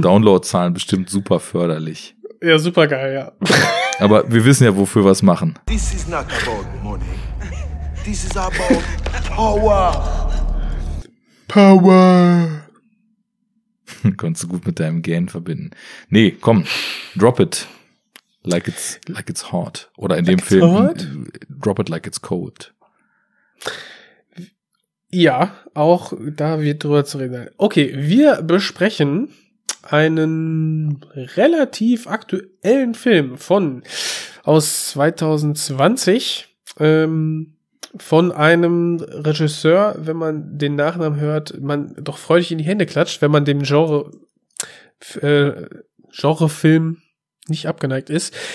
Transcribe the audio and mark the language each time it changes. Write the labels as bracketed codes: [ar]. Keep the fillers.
[de] Downloadzahlen bestimmt super förderlich. Ja, super geil, ja. Aber wir wissen ja, wofür wir was machen. [en] This is not about money. This is about power. Power. [de] Konntest du gut mit deinem Gain verbinden. Nee, komm, [en] drop it like it's like it's hot oder in like [de] dem Film in, in, [en] drop it like it's cold. [de] Ja, auch da wird drüber zu reden. Okay, wir besprechen einen relativ aktuellen Film von aus 2020 ähm, von einem Regisseur, wenn man den Nachnamen hört, man doch freudig in die Hände klatscht, wenn man dem Genre äh, Genrefilm nicht abgeneigt ist.